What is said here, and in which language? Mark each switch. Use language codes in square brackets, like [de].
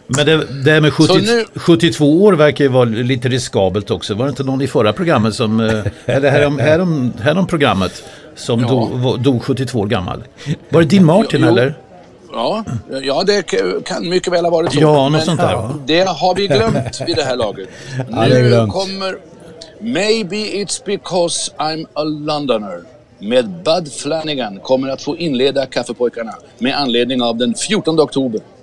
[sv] Men det med 72 år verkar ju vara lite riskabelt också. Var det inte någon i förra programmet som, eller här om programmet, som dog 72 år gammal? Var det din Martin eller? Ja, det kan mycket väl ha varit så. Ja, något sånt där. Det har vi glömt vid det här laget. Nu kommer... [en] Maybe it's because I'm a Londoner. [sv] Med Bud Flanagan kommer att få inleda Kaffepojkarna med anledning av den 14 oktober.